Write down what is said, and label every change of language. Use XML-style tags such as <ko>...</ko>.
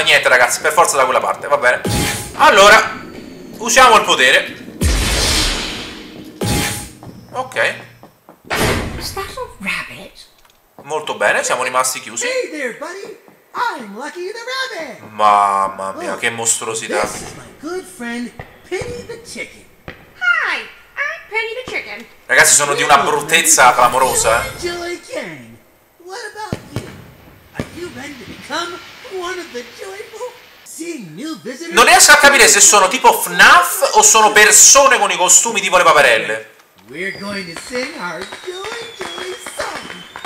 <it>Niente, ragazzi, per forza da quella parte. Va bene. Allora, usiamo il potere. Ok.</it> <en>Is that a rabbit?</en> <it>Molto bene, siamo rimasti chiusi.</it> <en>Hey there, buddy. I'm Lucky the Rabbit.</en> <it>Mamma mia, che mostruosità.</it> <en>This is my good friend Penny the Chicken. Hi, I'm Penny the Chicken.</en> <it>Ragazzi, sono di una bruttezza clamorosa.</it> <en>Joy Gang, what about you? Are you ready to become one of the joyful?</en> <it>Non riesco a capire se sono tipo FNAF o sono persone con i costumi tipo le paperelle.</it> <en>We're going to sing our joy, joy song.</en>